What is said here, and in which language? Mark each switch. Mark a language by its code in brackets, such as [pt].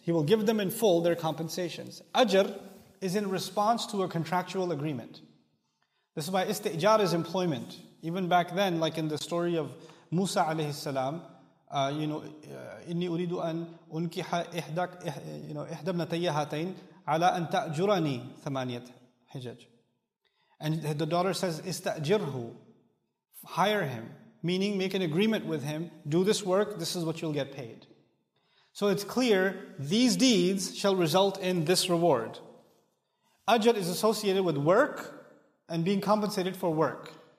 [en] He will give them in full their compensations. Ajr is in response to a contractual agreement. This is why istijar is employment. Even back then, like in the story of Musa alayhi salam, [ar] إني أريد أن أنكح إحداك إحدى ابنتي هاتين على أن تأجرني ثمانية حجج. [en] And the daughter says, [ar] استأجره, [en] hire him, meaning make an agreement with him, do this work, this is what you'll get paid. So it's clear, these deeds shall result in this reward. Ajr is associated with work and being compensated for work.